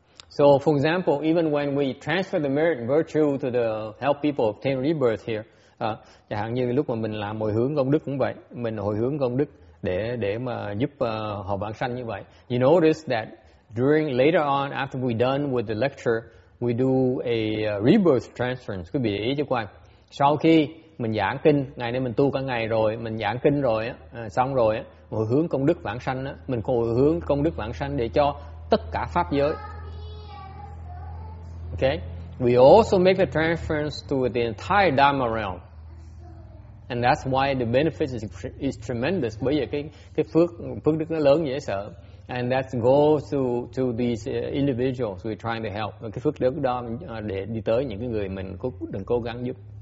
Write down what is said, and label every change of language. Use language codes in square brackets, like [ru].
[en] So, for example, even when we transfer the merit and virtue to the help people obtain rebirth here, [vi] chẳng hạn như lúc mà mình làm hồi hướng công đức cũng vậy, mình hồi hướng công đức để mà giúp họ vãng sanh như vậy. [en] You notice that during later on, after we're done with the lecture, we do a rebirth transference. [vi] Quý vị để ý cho coi. Sau khi mình giảng kinh, ngày nay mình tu cả ngày rồi, mình giảng kinh rồi, xong rồi, hồi hướng công đức vãng sanh, mình hồi hướng công đức vãng sanh để cho tất cả pháp giới. [en] Okay? We also make a transference to the entire Dharma realm. And that's why the benefit is tremendous. [vi] Bởi vì cái phước đức nó lớn dễ sợ. [en] And that goes to these individuals we're trying to help. [vi] Cái phước đức đó để đi tới những cái người mình đừng cố gắng giúp.